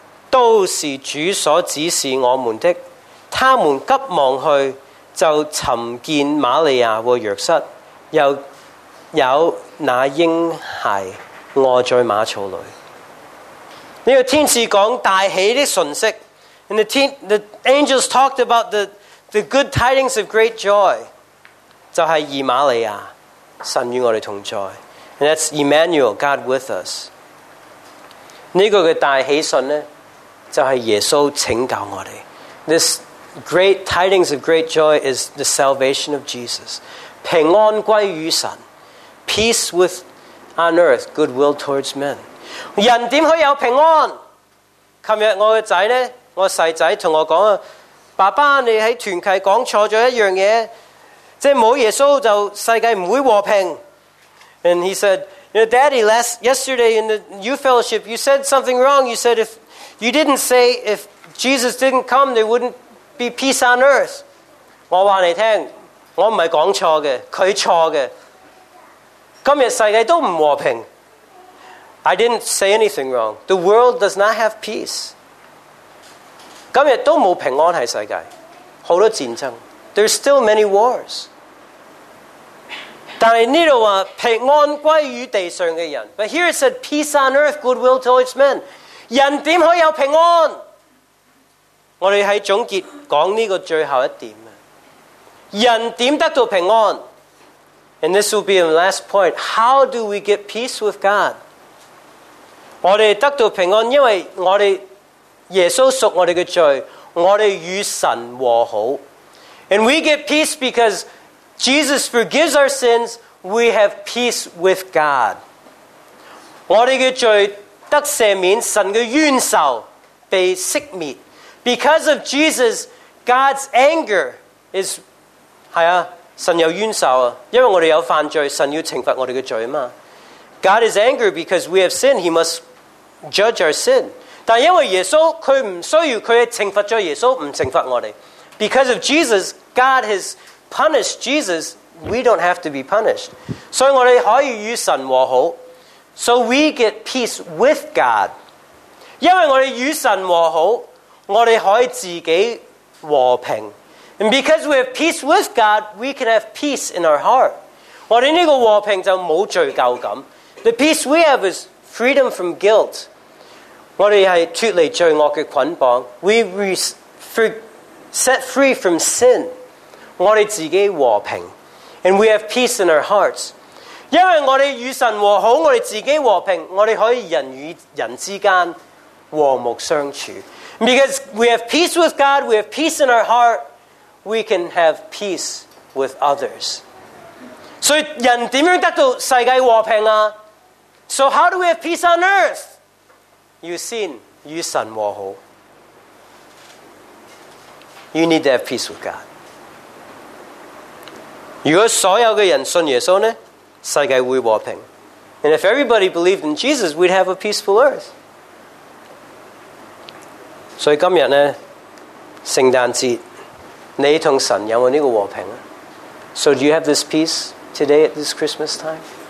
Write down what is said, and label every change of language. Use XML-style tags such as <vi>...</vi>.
<yue>都是主所指示我们的。他们急忙去，就寻见玛利亚和约瑟，又有那婴孩卧在马槽里。这个天使讲大喜的讯息。</yue> <en>And the angels talked about the good tidings of great joy.</en> <yue>就是以马利亚，神与我们同在。</yue> <en>And that's Emmanuel, God with us.</en> <yue>这个的大喜讯呢，就是耶稣拯救我们。</yue> <en>This great tidings of great joy is the salvation of Jesus.</en> <yue>平安归于神。</yue> <en>Peace with on earth, goodwill towards men.</en> <yue>人怎可以有平安？昨天我的仔呢，我小仔跟我说，爸爸，你在团契讲错了一样东西，即是没有耶稣就世界不会和平。</yue> <en>And he said, you know, Daddy, yesterday in the youth fellowship, you said something wrong. You said if Jesus didn't come, there wouldn't be peace on earth.</en> <yue>我告诉你，我不是讲错的，他错的。今天世界都不和平。</yue> <en>I didn't say anything wrong. The world does not have peace.</en> <yue>今天都没有平安在世界。很多战争。</yue> <en>There's still many wars.</en> <yue>但是这里说平安归于地上的人。</yue> <en>But here it said peace on earth, goodwill towards men.</en> <yue>人怎可以有平安？我们在总结讲这个最后一点。人怎得到平安？</yue> <en>And this will be the last point. How do we get peace with God?</en> <yue>我们得到平安，因为我们耶稣赎我们的罪，我们与神和好。</yue> <en>And we get peace because Jesus forgives our sins, we have peace with God.</en> <yue>我们的罪得赦免，神的冤仇被熄灭。</yue> <en>Because of Jesus, God's anger is...</en> <yue>是啊，神有冤仇，因为我们有犯罪，神要惩罚我们的罪嘛。</yue> <en>God is angry because we have sinned, he must judge our sin.</en> <yue>但因为耶稣，他不需要，他惩罚了耶稣，不惩罚我们。</yue> <en>Because of Jesus, God has punished Jesus, we don't have to be punished.</en> <yue>所以我们可以与神和好。</yue> <en>So we get peace with God.</en> <yue>因为我们与神和好，我们可以自己和平。</yue> <en>And because we have peace with God, we can have peace in our heart.</en> <yue>我们这个和平就没有罪疚感。</yue> <en>The peace we have is freedom from guilt.</en> <yue>我们是脱离罪恶的捆绑。</yue> <en>We set free from sin.</en> <yue>我们自己和平。</yue> <en>And we have peace in our hearts.</en> <yue>因为我们与神和好，我们自己和平，我们可以人与人之间和睦相处。</yue> <en>Because we have peace with God, we have peace in our heart, we can have peace with others.</en> <yue>所以人怎样得到世界和平啊？</yue> <en>So how do we have peace on earth?</en> <yue>要先与神和好。</yue> <en>You need to have peace with God.</en> <yue>如果所有的人信耶稣呢，世界会和平。</yue> <en>And if everybody believed in Jesus, we'd have a peaceful earth.</en> <yue>所以今天呢，圣诞节你和神有没有这个和平？</yue> <en>So do you have this peace today at this Christmas time?</en>